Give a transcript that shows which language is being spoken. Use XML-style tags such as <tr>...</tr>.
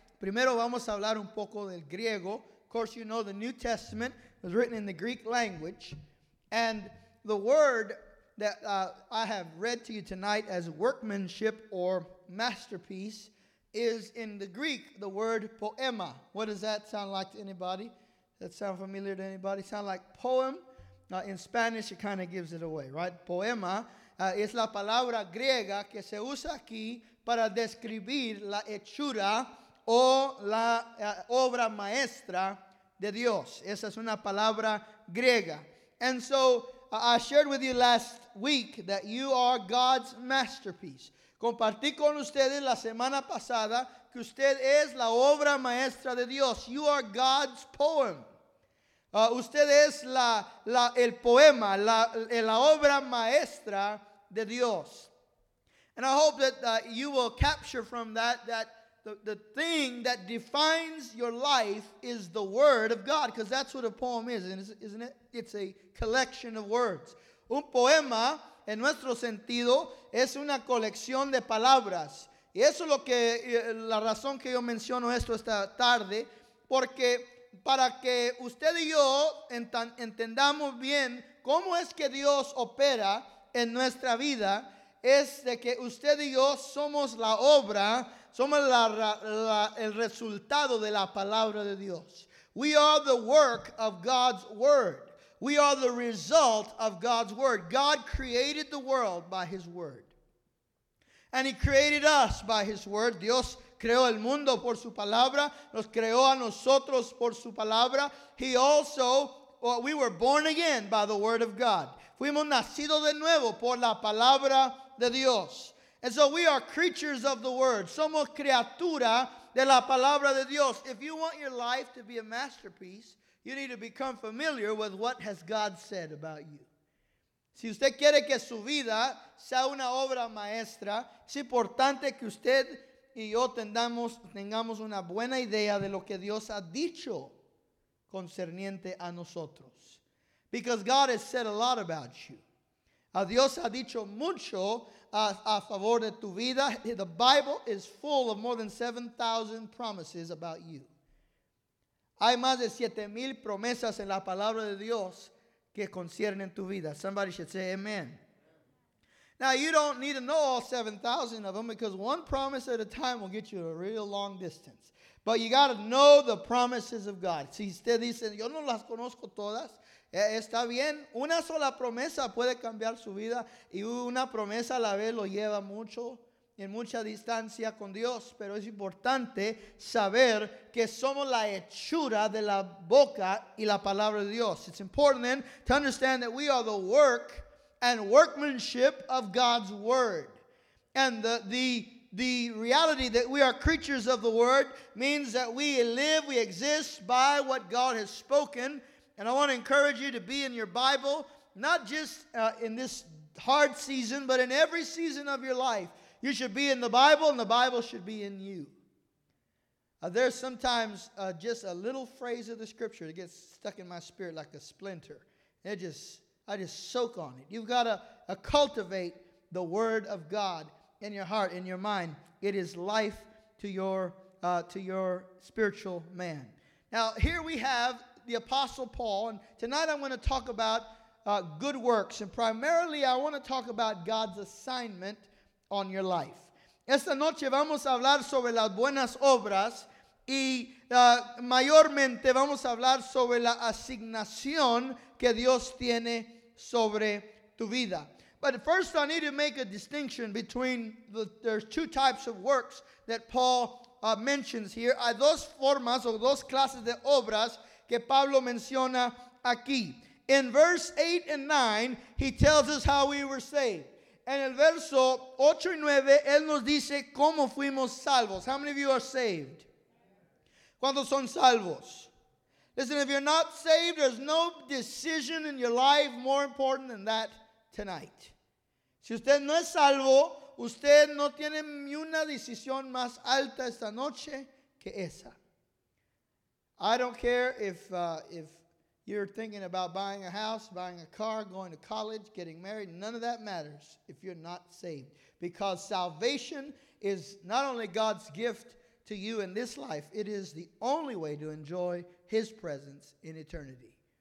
<es>Primero vamos a hablar un poco del griego.</es> <en>Of course, you know the New Testament was written in the Greek language, and the word that I have read to you tonight as workmanship or masterpiece is in the Greek, the word poema. What does that sound like to anybody? That sound familiar to anybody? Sound like poem? In Spanish, it kind of gives it away, right?</en> <es>Poema es la palabra griega que se usa aquí para describir la hechura o la obra maestra de Dios. Esa es una palabra griega.</es> <en>And so I shared with you last week that you are God's masterpiece.</en> <es>Compartí con ustedes la semana pasada que usted es la obra maestra de Dios.</es> <en>You are God's poem.</en> <es>Usted es el poema, la obra maestra de Dios.</es> <en>And I hope that you will capture from that the thing that defines your life is the word of God, because that's what a poem is, isn't it? It's a collection of words.</en> <es>Un poema, en nuestro sentido, es una colección de palabras. Y eso es lo que, la razón que yo menciono esto esta tarde, porque para que usted y yo entendamos bien cómo es que Dios opera en nuestra vida, es de que usted y yo somos la obra, somos el resultado de la palabra de Dios.</es> <en>We are the work of God's word. We are the result of God's word. God created the world by his word. And he created us by his word.</en> <es>Dios creó el mundo por su palabra. Nos creó a nosotros por su palabra.</es> <en>He also, well, we were born again by the word of God.</en> <es>Fuimos nacidos de nuevo por la palabra de Dios.</es> <en>And so we are creatures of the word.</en> <es>Somos criatura de la palabra de Dios.</es> <en>If you want your life to be a masterpiece, you need to become familiar with what has God said about you.</en> <es>Si usted quiere que su vida sea una obra maestra, es importante que usted y yo tengamos una buena idea de lo que Dios ha dicho concerniente a nosotros.</es> <en>Because God has said a lot about you.</en> <es>Dios ha dicho mucho a favor de tu vida.</es> <en>The Bible is full of more than 7,000 promises about you.</en> <es>Hay más de 7,000 promesas en la palabra de Dios que conciernen tu vida.</es> <en>Somebody should say amen. Now, you don't need to know all 7,000 of them, because one promise at a time will get you a real long distance. But you got to know the promises of God.</en> <es>Si usted dice, yo no las conozco todas, está bien. Una sola promesa puede cambiar su vida, y una promesa a la vez lo lleva mucho, en mucha distancia con Dios. Pero es importante saber que somos la hechura de la boca y la palabra de Dios.</es> <en>It's important then to understand that we are the work and workmanship of God's word. And the reality that we are creatures of the word means that we live, we exist by what God has spoken. And I want to encourage you to be in your Bible, not just in this hard season, but in every season of your life. You should be in the Bible, and the Bible should be in you. There's sometimes just a little phrase of the scripture that gets stuck in my spirit like a splinter. I just soak on it. You've got to cultivate the word of God in your heart, in your mind. It is life to your spiritual man. Now, here we have the Apostle Paul, and tonight I'm going to talk about good works, and primarily I want to talk about God's assignment on your life.</en> <es>Esta noche vamos a hablar sobre las buenas obras, y mayormente vamos a hablar sobre la asignación que Dios tiene sobre tu vida.</es> <en>But first I need to make a distinction between there's two types of works that Paul mentions here.</en> <es>Hay dos formas o dos clases de obras que Pablo menciona aquí.</es> <en>In verse 8 and 9, he tells us how we were saved.</en> <es>En el verso 8 y 9, él nos dice cómo fuimos salvos.</es> <en>How many of you are saved?</en> <es>¿Cuántos son salvos?</es> <en>Listen, if you're not saved, there's no decision in your life more important than that tonight.</en> <es>Si usted no es salvo, usted no tiene ni una decisión más alta esta noche que esa.</es> <en>I don't care if you're thinking about buying a house, buying a car, going to college, getting married. None of that matters if you're not saved. Because salvation is not only God's gift to you in this life, it is the only way to enjoy his presence in eternity.</en>